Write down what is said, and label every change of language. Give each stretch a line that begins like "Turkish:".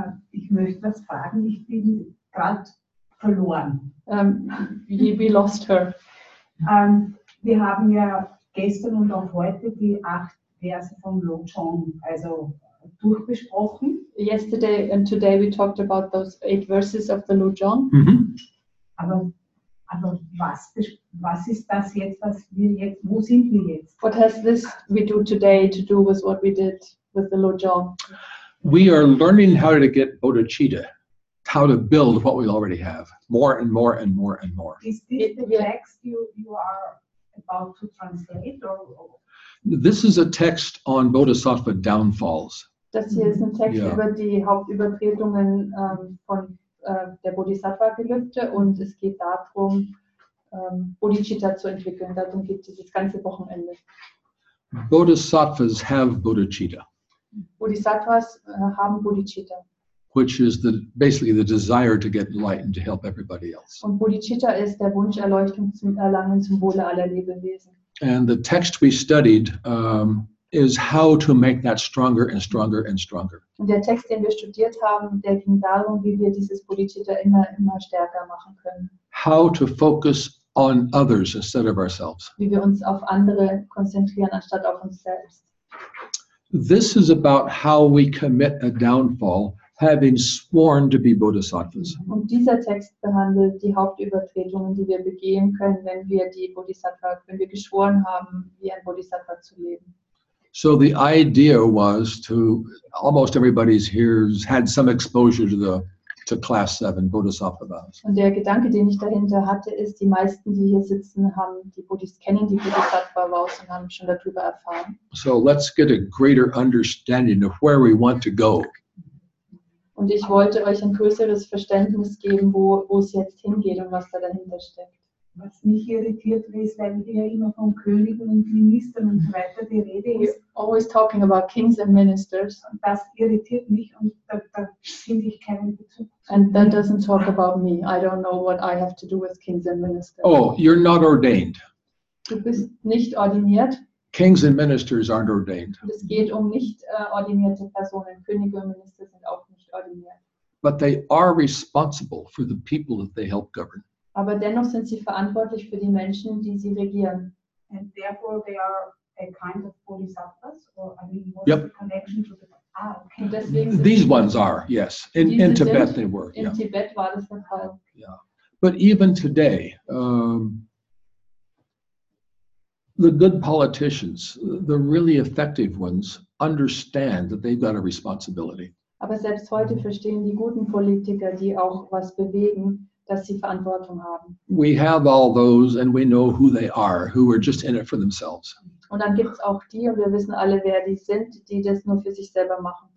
German: Ich möchte was fragen. Ich bin gerade verloren.
English: We lost her.
German: Wir haben ja gestern und auch heute die 8 Verse vom Lojong, also durchbesprochen.
English: Yesterday and today we talked about those 8 verses of the Lojong. Mm-hmm.
German: Aber was ist das jetzt, was wir jetzt, wo sind wir jetzt?
English: What has this we do today to do with what we did with the Lojong? We are learning how to get bodhicitta, how to build what we already have, more and more and more and more. Is this the text you are about to translate? This is a text on bodhisattva downfalls.
German: Das hier ist ein Text über die Hauptübertretungen von der Bodhisattva-Gelübde und es geht darum, Bodhicitta zu entwickeln. Darum geht es das ganze Wochenende.
English: Bodhisattvas have bodhicitta.
German: Bodhisattvas haben Bodhicitta.
English: Which is basically the desire to get enlightened to help everybody else.
German: Und Bodhicitta ist der Wunsch, Erleuchtung zu erlangen zum Wohle aller Lebewesen.
English: And the text we studied is how to make that stronger and stronger and stronger.
German: Und der Text, den wir studiert haben, der ging darum, wie wir dieses Bodhicitta immer stärker machen können.
English: How to focus on others instead of ourselves.
German: Wie wir uns auf andere konzentrieren anstatt auf uns selbst.
English: This is about how we commit a downfall, having sworn to be bodhisattvas.
German: Und dieser Text behandelt die Hauptübertretungen, die wir begehen können, wenn wir die Bodhisattva, wenn wir geschworen haben, wie ein Bodhisattva zu leben.
English: So the idea was to, almost everybody's here has had some exposure to class 7 bodhisattva vows.
German: Und der Gedanke, den ich dahinter hatte, ist, die meisten, die hier sitzen, haben die Bodhisattva, kennen die Bodhisattva vows und haben schon darüber erfahren.
English: So let's get a greater understanding of where we want to go.
German: Und ich wollte euch ein größeres Verständnis geben, wo es jetzt hingeht und was da dahinter steckt. Was mich irritiert, ist, weil hier immer von Königen und Ministern und so weiter die Rede ist.
English: We're always talking about kings and ministers.
German: Und das irritiert mich und da finde ich keinen Bezug.
English: And that doesn't talk about me. I don't know what I have to do with kings and ministers. Oh, you're not ordained.
German: Du bist nicht ordiniert.
English: Kings and ministers aren't ordained.
German: Es geht um nicht ordinierte Personen. Könige und Minister sind auch nicht ordiniert.
English: But they are responsible for the people that they help govern.
German: Aber dennoch sind sie verantwortlich für die Menschen, die sie regieren.
English: And therefore they are a kind of bodhisattvas, or I mean, what's the connection to the... Ah, okay.
German: Und deswegen sind
English: these ones are, yes. In Tibet they were.
German: In Tibet war das der Fall.
English: But even today, the good politicians, the really effective ones, understand that they've got a responsibility.
German: Aber selbst heute verstehen die guten Politiker, die auch was bewegen, dass sie Verantwortung haben.
English: We have all those, and we know who they are, who are just in it for themselves.
German: Und dann gibt's auch die, und wir wissen alle, wer die sind, die das nur für sich selber machen.